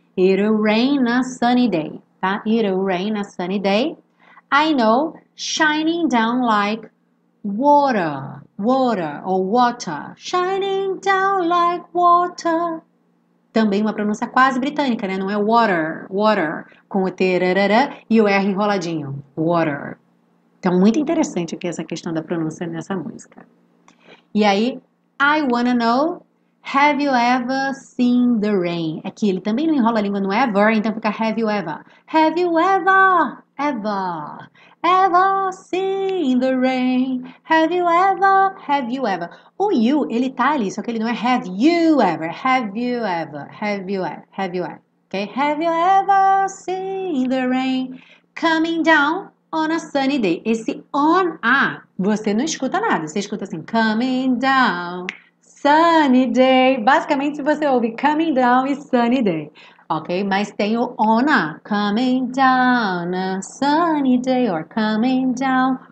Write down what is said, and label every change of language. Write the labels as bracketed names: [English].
[English] It'll rain na sunny day, [Portuguese] tá? [English] It'll rain na sunny day. I know, shining down like water, water ou water. Shining down like water. [Portuguese] Também uma pronúncia quase britânica, né? Não é [English] water, water, [Portuguese] com o T rarara e o R enroladinho. Water. Então, muito interessante aqui essa questão da pronúncia nessa música. [English] E aí, I wanna know, have you ever seen the rain? [Portuguese] É que ele também não enrola a língua no ever, então fica [English] have you ever. Have you ever, ever, ever seen the rain? Have you ever, have you ever? [Portuguese] O you, ele tá ali, só que ele não é [English] have you ever, have you ever, have you ever, have you ever. Okay? Have you ever seen the rain coming down? On a sunny day. [Portuguese] Esse on a, você não escuta nada. Você escuta assim, [English] coming down, sunny day. [Portuguese] Basicamente, você ouve [English] coming down [Portuguese] e [English] sunny day. Ok? [Portuguese] Mas tem o [English] on a. Coming down, a sunny day, or coming down